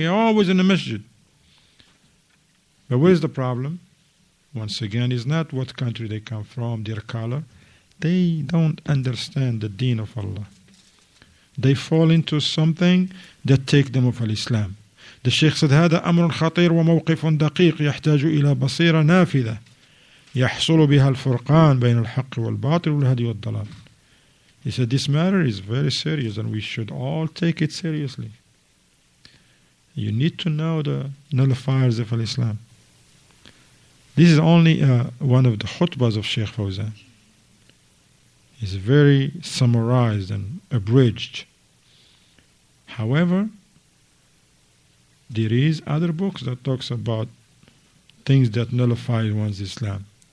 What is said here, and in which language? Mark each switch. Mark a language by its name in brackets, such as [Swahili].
[English] They're always in the masjid. But where's the problem? Once again, it's not what country they come from, their color. They don't understand the deen of Allah. They fall into something that take them off al-Islam. The Sheikh said, [Arabic] هذا أمر خطير وموقف دقيق يحتاج إلى بصيرة نافذة يحصل بها الفرقان بين الحق والباطل والهدي والضلال. [English] He said, this matter is very serious and we should all take it seriously. You need to know the nullifiers of al-Islam. This is only one of the khutbas of Sheikh Fawzan. Is very summarized and abridged. However, there is other books that talks about things that nullify one's Islam.